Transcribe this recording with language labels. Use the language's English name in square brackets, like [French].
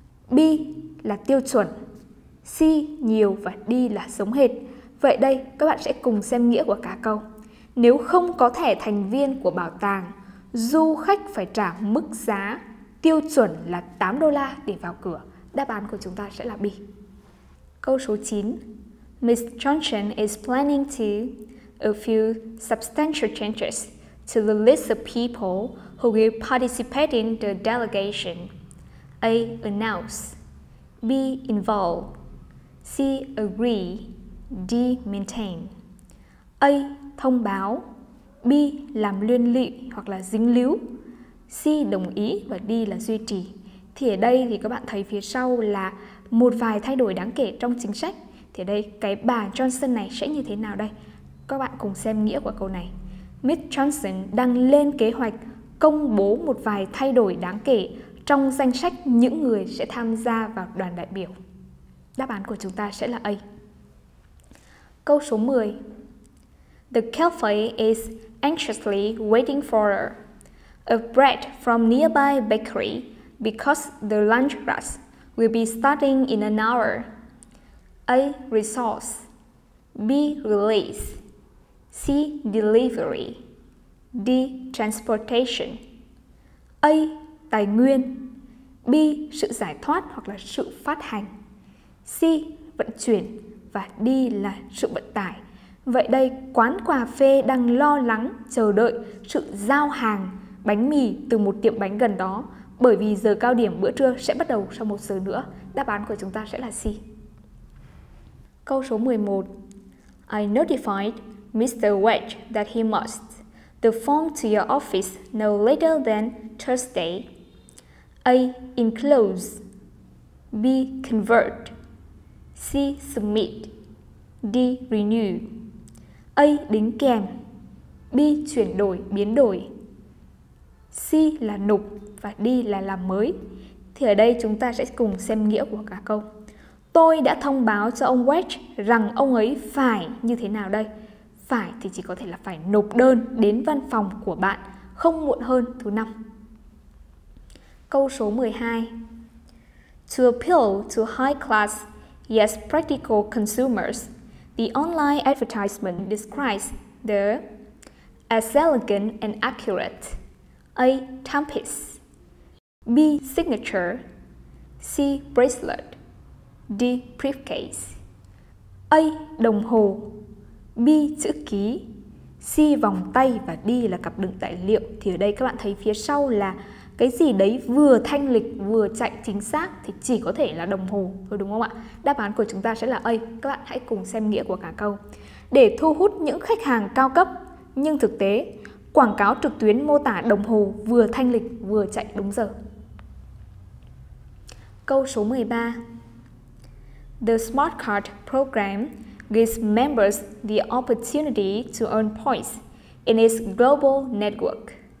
[Vietnamese] B. Là tiêu chuẩn. C. Nhiều và D là giống hệt. Vậy đây, các bạn sẽ cùng xem nghĩa của cả câu. Nếu không có thẻ thành viên của bảo tàng, du khách phải trả mức giá tiêu chuẩn là $8 để vào cửa. Đáp án của chúng ta sẽ là B. Câu số 9. [English] Miss Johnson is planning to a few substantial changes to the list of people who will participate in the delegation. A. Announce. B. Involve. C. Agree. D. Maintain. [Vietnamese] A. Thông báo. B. Làm liên lụy hoặc là dính líu. C. Đồng ý và D là duy trì. Thì ở đây thì các bạn thấy phía sau là một vài thay đổi đáng kể trong chính sách. Thì ở đây cái bà Johnson này sẽ như thế nào đây? Các bạn cùng xem nghĩa của câu này. Miss Johnson đang lên kế hoạch công bố một vài thay đổi đáng kể trong danh sách những người sẽ tham gia vào đoàn đại biểu. Đáp án của chúng ta sẽ là A. Câu số 10. [English] The cafe is anxiously waiting for a bread from nearby bakery because the lunch rush will be starting in an hour. A. Resource. B. Release. C. Delivery. D. [Vietnamese] Transportation. A. Tài nguyên. B. Sự giải thoát hoặc là sự phát hành. C. Vận chuyển. Và D là sự vận tải. Vậy đây, quán cà phê đang lo lắng chờ đợi sự giao hàng bánh mì từ một tiệm bánh gần đó bởi vì giờ cao điểm bữa trưa sẽ bắt đầu sau một giờ nữa. Đáp án của chúng ta sẽ là C. Câu số 11. [English] I notified Mr. Wedge that he must the phone to your office no later than Thursday. A. Enclose. B. Convert. C. Submit. D. Renew. [Vietnamese] A. Đính kèm. B. Chuyển đổi, biến đổi. C. Là nộp và D. Là làm mới. Thì ở đây chúng ta sẽ cùng xem nghĩa của cả câu. Tôi đã thông báo cho ông Wedge rằng ông ấy phải như thế nào đây? Phải thì chỉ có thể là phải nộp đơn đến văn phòng của bạn không muộn hơn thứ năm. Câu số 12. [English] To appeal to high class, yes, practical consumers, the online advertisement describes the as elegant and accurate. A. Timepiece. B. Signature. C. Bracelet. D. Briefcase. [Vietnamese] A. Đồng hồ. B. Chữ ký. C. Vòng tay. Và D. Là cặp đựng tài liệu. Thì ở đây các bạn thấy phía sau là cái gì đấy vừa thanh lịch vừa chạy chính xác thì chỉ có thể là đồng hồ thôi, đúng không ạ? Đáp án của chúng ta sẽ là A. Các bạn hãy cùng xem nghĩa của cả câu. Để thu hút những khách hàng cao cấp, nhưng thực tế quảng cáo trực tuyến mô tả đồng hồ vừa thanh lịch vừa chạy đúng giờ. Câu số 13. [English] The smart card program gives members the opportunity to earn points in its global network.